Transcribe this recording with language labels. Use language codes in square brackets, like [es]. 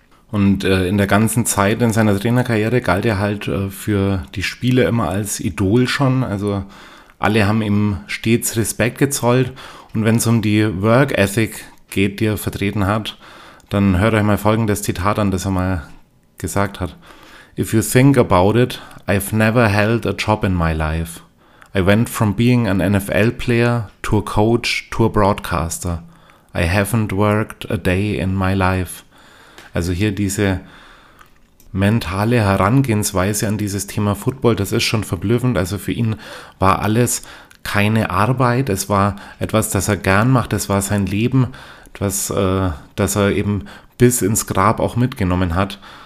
[de] Und in der ganzen Zeit in seiner Trainerkarriere galt er halt für die Spieler immer als Idol schon. Also alle haben ihm stets Respekt gezollt. Und wenn es um die Work Ethic geht, die er vertreten hat, dann hört euch mal folgendes Zitat an, das er mal gesagt hat. [en] If you think about it, I've never held a job in my life. I went from being an NFL player to a coach to a broadcaster. I haven't worked a day in my life. [de] Also hier diese mentale Herangehensweise an dieses Thema Football, das ist schon verblüffend. Also für ihn war alles keine Arbeit. Es war etwas, das er gern macht. Es war sein Leben, etwas, das er eben bis ins Grab auch mitgenommen hat.